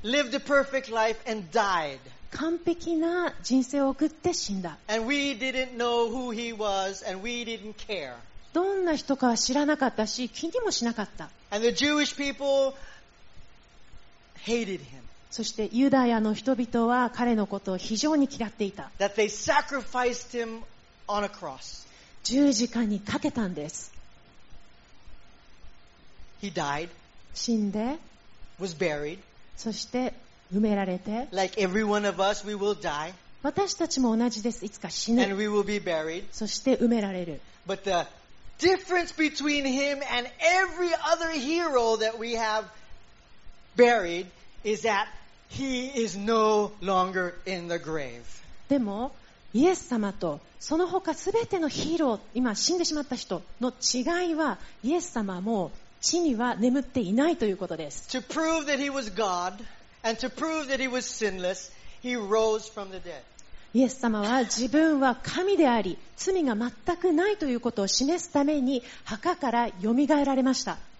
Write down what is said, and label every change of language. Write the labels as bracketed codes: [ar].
[en] Lived a perfect life and died. [ja] 完璧な人生を送って死んだ。 [en] And we didn't know who he was and we didn't care. [ja] どんな人かは知らなかったし、気にもしなかった。 [en] And the Jewish people hated him. [ja] そしてユダヤの人々は彼のことを非常に嫌っていた。 [en] That they sacrificed him on a cross. [ja] 十字架にかけたんです。 [en] He died. [ja] 死んで。 [en] Was buried. [ja] そして埋められて。 [en] Like every one of us, we will die. [ja] 私たちも同じです。いつか死ぬ。 [en] And we will be buried. [ja] そして埋められる。 [en] But theDifference between him and every other hero that we have buried is that he is no longer in the grave. [ja] でも、イエス様とその他すべてのヒーロー、今死んでしまった人の違いは、イエス様はもう地には眠っていないということです。 [en] To prove that he was God and to prove that he was sinless, he rose from the dead. [ja] イエス様は自分は神であり罪が全くないということを示すために墓からよみがえられました。